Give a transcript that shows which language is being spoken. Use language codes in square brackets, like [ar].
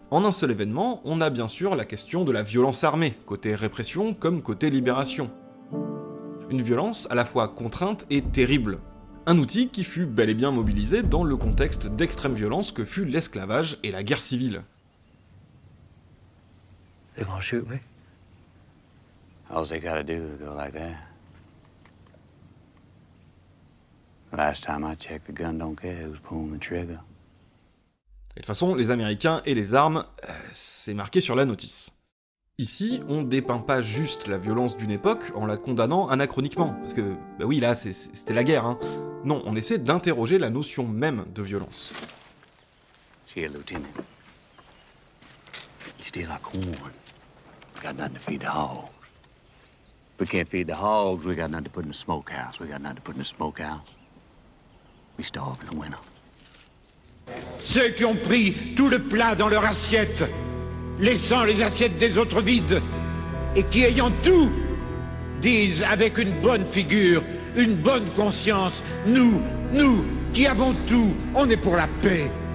[fr] En un seul événement, on a bien sûr la question de la violence armée, côté répression comme côté libération. Une violence à la fois contrainte et terrible. Un outil qui fut bel et bien mobilisé dans le contexte d'extrême violence que fut l'esclavage et la guerre civile. [en] They're gonna shoot me. All they gotta do is go like that. Last time I checked, the gun don't care who's pulling the trigger. [fr] Et de toute façon, les Américains et les armes, c'est marqué sur la notice. Ici, on dépeint pas juste la violence d'une époque en la condamnant anachroniquement, parce que, bah oui, là, c'était la guerre, hein. Non, on essaie d'interroger la notion même de violence. [en] See, Lieutenant. You steal our corn. We got nothing to feed the hogs. We can't feed the hogs, we got nothing to put in the smokehouse. We got nothing to put in the smokehouse. We starve in the winter. [fr] Ceux qui ont pris tout le plat dans leur assiette, laissant les assiettes des autres vides, et qui ayant tout, disent avec une bonne figure, une bonne conscience, nous qui avons tout, on est pour la paix.